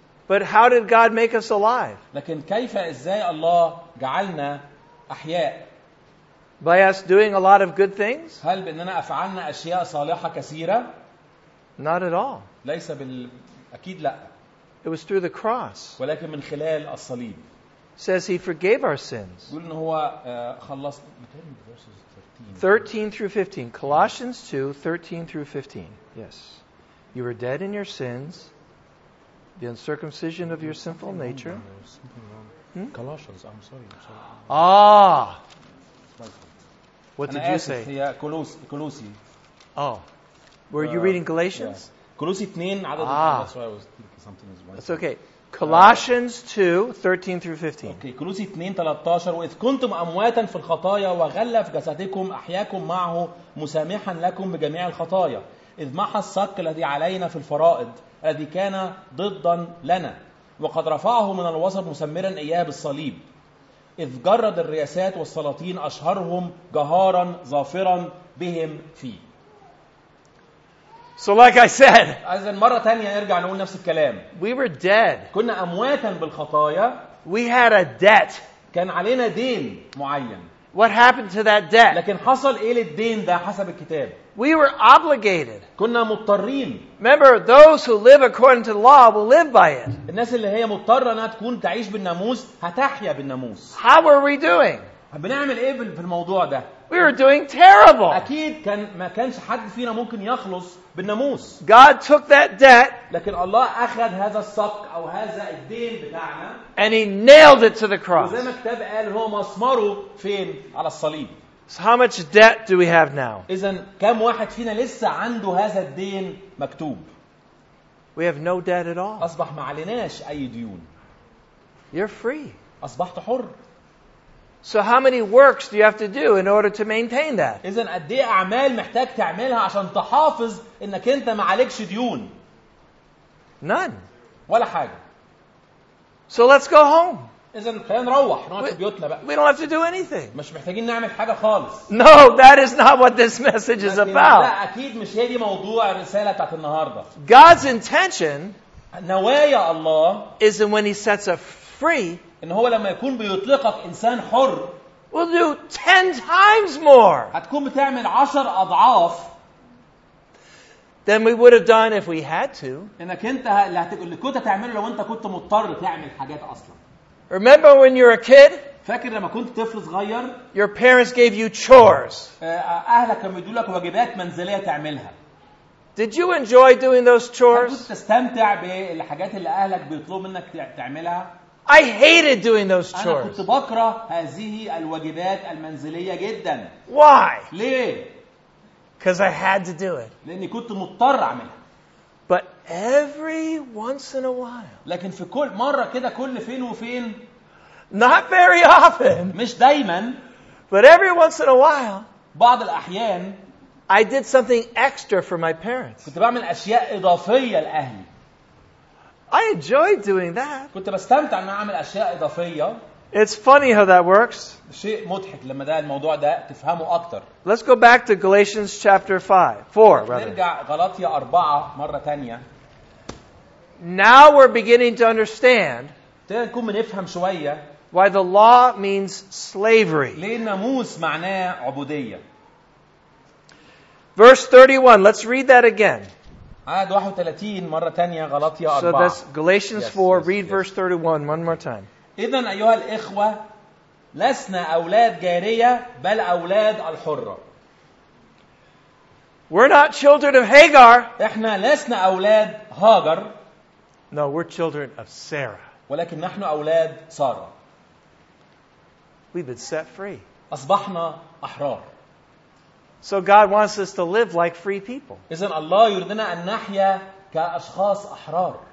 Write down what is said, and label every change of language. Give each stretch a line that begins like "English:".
English: But how did God make us alive?
Arabic: لكن كيف إزاي الله جعلنا أحياء؟
English: By us doing a lot of good things?
Arabic: هل بأننا أفعلنا أشياء صالحة كثيرة؟
English: Not at all.
Arabic: ليس بالأكيد لا.
English: It was through the cross.
Arabic: ولكن من خلال الصليب.
English: Says he forgave our sins.
Arabic: يقول إن هو خلص.
English: 13 through 15. Colossians 2, 13 through 15. Yes. You were dead in your sins, the uncircumcision of your sinful nature. Colossians, I'm sorry. Ah! What did you say? Colossi. Oh. Were you reading Galatians? Colossi 2, that's why I was thinking something is right. That's okay. Colossians 2:13 through 15. Okay,
Arabic: كولوسي 2:13 وإذ كنتم أمواتا في الخطايا وغلف جسدكم أحياكم معه مسامحا لكم بجميع الخطايا إذ محى الصك الذي علينا في الفرائض الذي كان ضدا لنا وقد رفعه من الوسط مسمرا إياه بالصليب إذ جرد الرياسات والسلاطين أشهرهم جهارا ظافرا بهم فيه.
English: So like I said, as in
Arabic: مرة تانية نرجع نقول نفس الكلام.
English: We were dead.
Arabic: كنا أمواتا بالخطايا.
English: We had a debt.
Arabic: كان علينا دين معين.
English: What happened to that debt?
Arabic: لكن حصل إيه للدين ده حسب الكتاب.
English: We were obligated.
Arabic: كنا مضطرين.
English: Remember, those who live according to the law will live by it.
Arabic: الناس اللي هي مضطرة انها تكون تعيش بالناموس هتحيا بالناموس.
English: How were we doing?
Arabic: بنعمل إيه في الموضوع ده؟
English: We were doing terrible.
Arabic: أكيد كان ما كانش حد فينا ممكن يخلص بالناموس.
English: God took that debt.
Arabic: لكن الله أخذ هذا الصك أو هذا الدين بتاعنا.
English: And he nailed it to the cross.
Arabic: وزي ما الكتاب قال هو مسمره فين على الصليب.
English: So how much debt do we have now?
Arabic: إذن كم واحد فينا لسه عنده هذا الدين مكتوب؟
English: We have no debt at all.
Arabic: أصبح ما عليناش أي ديون.
English: You're free.
Arabic: أصبحت حر.
English: So how many works do you have to do in order to maintain that?
Arabic: إذن قد إيه أعمال محتاج تعملها عشان تحافظ إنك أنت ما عليكش ديون؟
English: None.
Arabic: ولا حاجة.
English: So let's go home.
Arabic: إذن خلينا نروح نقعد في بيوتنا بقى.
English: We don't have to do anything.
Arabic: مش محتاجين نعمل حاجة خالص.
English: No, that is not what this message is about.
Arabic: لا أكيد مش هي دي موضوع الرسالة بتاعت النهاردة.
English: God's intention
Arabic: نوايا الله
English: is when he sets a free
Arabic: إن هو لما يكون بيطلقك إنسان حر
English: we'll do 10 times more
Arabic: هتكون بتعمل 10 أضعاف
English: than we would have done if we had to
Arabic: إنك أنت اللي كنت هتعمله لو أنت كنت مضطر تعمل حاجات أصلا.
English: Remember when you were a kid
Arabic: فاكر لما كنت طفل صغير
English: your parents gave you chores
Arabic: أهلك كانوا بيدوا لك واجبات منزلية تعملها.
English: Did you enjoy doing those chores؟
Arabic: هل كنت تستمتع بالحاجات اللي أهلك بيطلبوا منك تعملها؟
English: I hated doing those chores.
Arabic: أنا كنت بكره هذه الواجبات المنزلية جدا.
English: Why?
Arabic: ليه؟
English: Because I had to do it.
Arabic: لأني كنت مضطر أعملها.
English: But every once in a while.
Arabic: لكن في كل مرة كده كل فين وفين.
English: Not very often.
Arabic: مش دايما.
English: But every once in a while.
Arabic: بعض الأحيان.
English: I did something extra for my parents.
Arabic: كنت بعمل أشياء إضافية لأهلي.
English: I enjoyed doing that.
Arabic: كنت بستمتع ان اعمل اشياء اضافيه.
English: It's funny how that works.
Arabic: شيء مضحك لما ده الموضوع ده تفهمه اكتر.
English: Let's go back to Galatians chapter 4.
Arabic: نرجع غلاطية 4 مره ثانيه.
English: Now we're beginning to understand.
Arabic: ده نكون بنفهم شويه.
English: Why the law means slavery.
Arabic: ليه الناموس معناه عبوديه.
English: Verse 31. Let's read that again.
Arabic: عدد 31 مرة تانية غلطية أربعة.
English: So that's Galatians 4. Read verse 31 one more time.
Arabic: إذن أيها الإخوة لسنا أولاد جارية بل أولاد الحرة.
English: We're not children of Hagar.
Arabic: إحنا لسنا أولاد هاجر.
English: No, we're children of Sarah.
Arabic: ولكن نحن أولاد سارة.
English: We've been set free.
Arabic: أصبحنا أحرار.
English: So God wants us to live like free people.
Arabic: إذن الله يريدنا أن نحيا كأشخاص أحرار.